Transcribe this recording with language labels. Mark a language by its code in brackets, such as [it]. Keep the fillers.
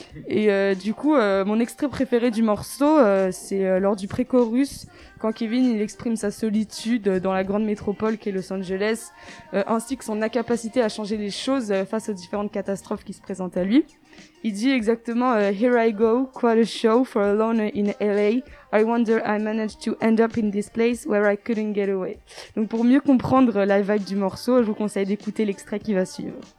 [fr] Et euh, du coup, euh, mon extrait préféré du morceau, euh, c'est lors du pré-chorus, quand Kevin il exprime sa solitude dans la grande métropole qu'est Los Angeles, ainsi que son incapacité à changer les choses face aux différentes catastrophes qui se présentent à lui. Il dit exactement [en] Here I go, quite a show for a loner in LA. I wonder I managed to end up in this place where I couldn't get away. [fr] Donc pour mieux comprendre la vague du morceau, je vous conseille d'écouter l'extrait qui va suivre.